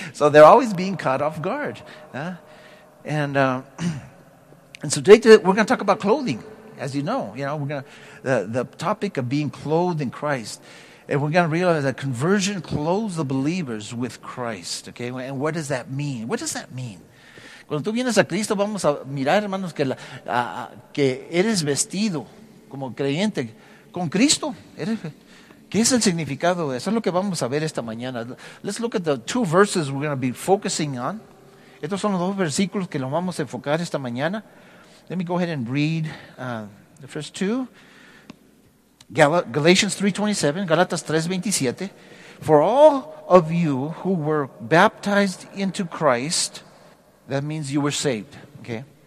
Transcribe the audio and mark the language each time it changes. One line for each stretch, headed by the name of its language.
English: So they're always being caught off guard. And so today we're going to talk about clothing, as you know, we're going to, the topic of being clothed in Christ. And we're going to realize that conversion clothes the believers with Christ, okay? And what does that mean? What does that mean?
Spanish: Cuando tú vienes a Cristo, vamos a mirar, hermanos, que eres vestido como creyente con Cristo. ¿Qué es el significado de eso? Es lo que vamos a ver esta mañana.
English: Let's look at the two verses we're going to be focusing on.
Spanish: Estos son los dos versículos que nos vamos a enfocar esta mañana.
English: Let me go ahead and read the first two. Galatians 3:27, Galatas 3:27. For all of you who were baptized into Christ, that means you were saved, okay?